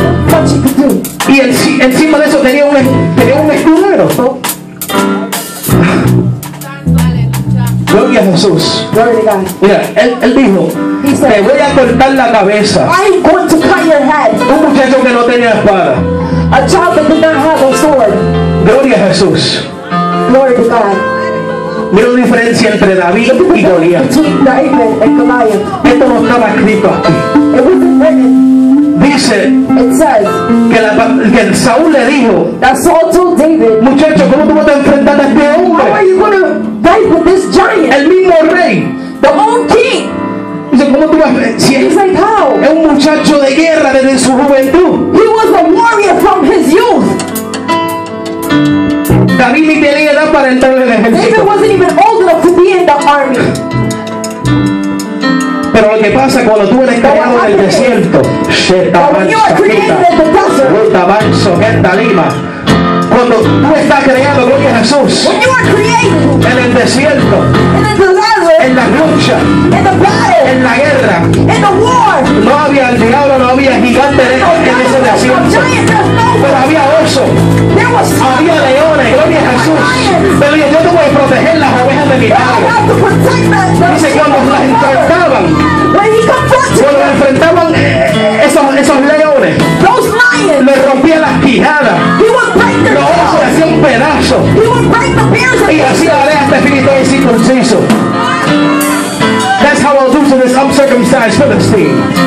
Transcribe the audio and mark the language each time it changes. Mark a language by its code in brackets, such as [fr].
[es] No y encima de eso tenía un escudero. Gloria a Jesús. Mira, él dijo, te voy a cortar la cabeza. [en] I'm going to cut your head. [es] Un muchacho que no tenía espada. [en] A child that did not have a sword. [es] Gloria a Jesús. [en] Glory to God. [es] Mira la diferencia entre David y Goliat. Esto no estaba escrito aquí. Dice que Saúl le dijo, muchacho, ¿cómo tú vas a enfrentar a este hombre? [en] How are you going to fight with this giant? [es] El mismo rey. [en] The own king. [es] Dice, ¿cómo tú vas a si es, [en] like, how? [es] Es un muchacho de guerra desde su juventud. [en] He was a warrior from his youth. [es] David ni tenía edad para entrar en el ejército. [en] David wasn't even old enough to be in the army. [es] Pero lo que pasa cuando tú eres creado en el desierto, cuando tú estás creado, gloria a Jesús, [en] when you are created, [es] en el desierto, en la lucha, [en] in the battle, [es] en la guerra, [en] in the war, [es] no había el diablo, no había gigante en ese desierto, pero había oso, había leones, gloria a Jesús. Pero yo te voy a proteger las ovejas de mi padre. Dice, cuando las enfrentaban, esos leones, [en] those lions, [es] le rompía las quijadas, los osos le hacían pedazos, y así lo aleja este filisteo incircunciso. [en] That's how I'll do to this uncircumcised Philistine.